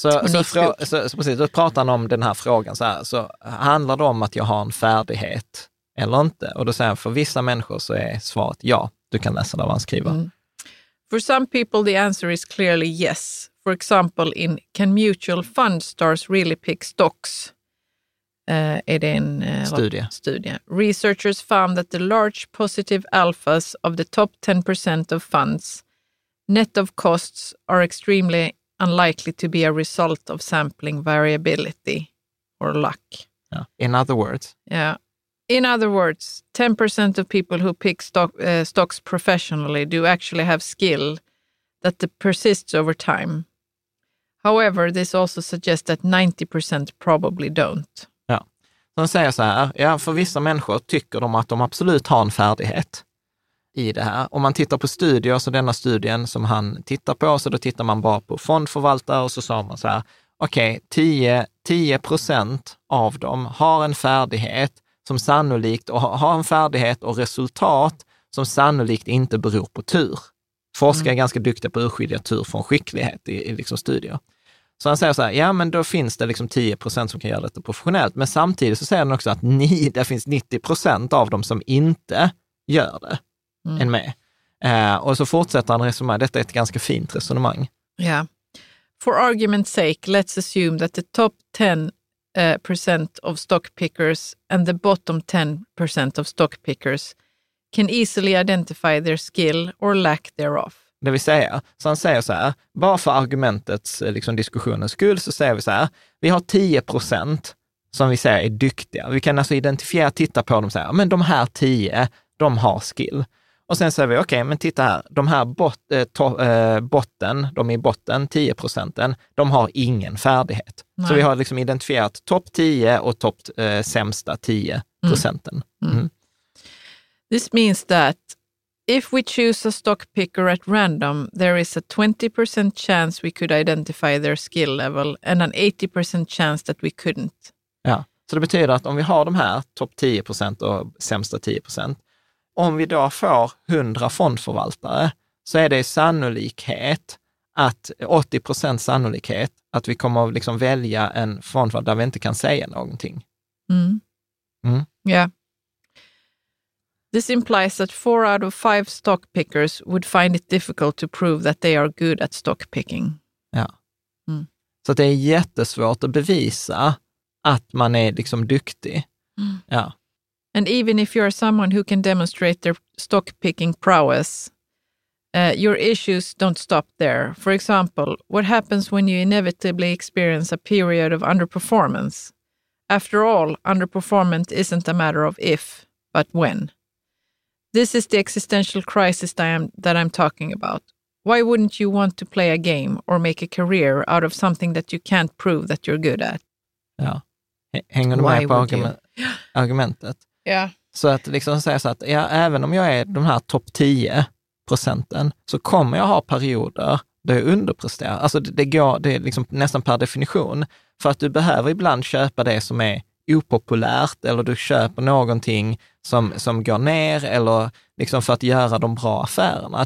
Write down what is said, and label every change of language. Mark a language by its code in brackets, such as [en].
[sv] Så pratar han om den här frågan så här, så handlar det om att jag har en färdighet eller inte? Och då säger han, för vissa människor så är svaret ja, du kan läsa det han skriver. Mm. [en] For some people the answer is clearly yes. For example, in can mutual fund stars really pick stocks? [sv] Är det en studie. [en] Researchers found that the large positive alphas of the top 10% of funds net of costs are extremely unlikely to be a result of sampling variability or luck. Yeah. In other words. Yeah. In other words, 10% of people who pick stocks professionally do actually have skill that persists over time. However, this also suggests that 90% probably don't. [sv] Ja. [en] Yeah. [sv] Så säger så här, ja, för vissa människor tycker de att de absolut har en färdighet i det här. Om man tittar på studier, så denna studien som han tittar på, så då tittar man bara på fondförvaltare och så sa man så här, okej, 10% av dem har en färdighet som sannolikt, och har en färdighet och resultat som sannolikt inte beror på tur. Forskare är ganska duktiga på att urskilja tur från skicklighet i liksom studier. Så han säger så här, ja, men då finns det liksom 10% som kan göra detta professionellt, men samtidigt så säger han också att det finns 90% av dem som inte gör det. Mm. Än med. Och så fortsätter han resonemang. Detta är ett ganska fint resonemang. Ja. [en] Yeah. For argument's sake, let's assume that the top 10% of stock pickers and the bottom 10% of stock pickers can easily identify their skill or lack thereof. [sv] Det vill säga, så han säger så här, bara för argumentets liksom, diskussionens skull så säger vi så här, vi har 10% som vi säger är duktiga. Vi kan alltså identifiera, titta på dem så här, men de här 10, de har skill. Och sen säger vi, okej, men titta här, de här botten, de i botten, 10%, de har ingen färdighet. Nej. Så vi har liksom identifierat topp 10 och topp sämsta 10%. [en] This means that if we choose a stock picker at random, there is a 20% chance we could identify their skill level and an 80% chance that we couldn't. [sv] Ja, så det betyder att om vi har de här topp 10% och sämsta 10%, om vi då får 100 fondförvaltare så är det sannolikhet att 80% sannolikhet att vi kommer att liksom välja en fondförvaltare där vi inte kan säga någonting. Ja. [en] This implies that 4 out of 5 stock pickers would find it difficult to prove that they are good at stock picking. [sv] Ja. Mm. Så det är jättesvårt att bevisa att man är liksom duktig. Mm. Ja. [en] And even if you are someone who can demonstrate their stock picking prowess, your issues don't stop there. For example, what happens when you inevitably experience a period of underperformance? After all, underperformance isn't a matter of if, but when. This is the existential crisis that I'm talking about. Why wouldn't you want to play a game or make a career out of something that you can't prove that you're good at? [sv] Ja, hänger du med på argumentet? Ja. [en] Yeah. [sv] Så att liksom säga så att ja, även om jag är de här topp 10% så kommer jag ha perioder där jag underpresterar. Alltså det är liksom nästan per definition. För att du behöver ibland köpa det som är opopulärt eller du köper någonting som går ner eller liksom för att göra de bra affärerna.